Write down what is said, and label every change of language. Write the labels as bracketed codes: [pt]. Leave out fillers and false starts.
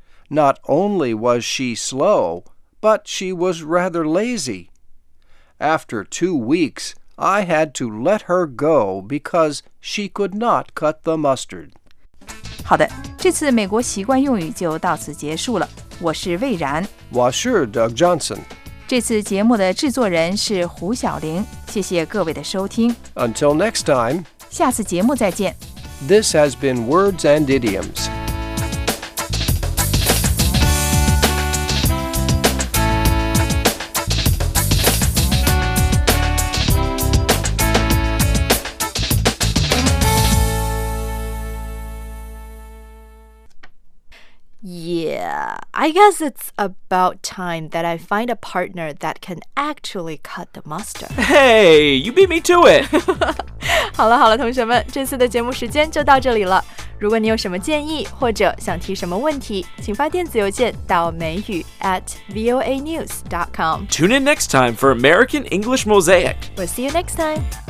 [en] Not only was she slow, but she was rather lazy. After 2 weeks, I had to let her go because she could not cut the mustard. [zh] 好的，这次美国习惯用语就到此结束了。我是魏然。我是 Doug Johnson。这次节目的制作人是胡晓玲，谢谢各位的收听。 [en] Until next time. [zh] 下次节目再见。 [en] This has been Words and Idioms. I guess it's about time that I find a partner that can actually cut the mustard. Hey, you beat me to it! [zh] 好了好了，同学们，这次的节目时间就到这里了。如果你有什么建议或者想提什么问题，请发电子邮件到美语@voanews.com. [en] Tune in next time for American English Mosaic. We'll see you next time.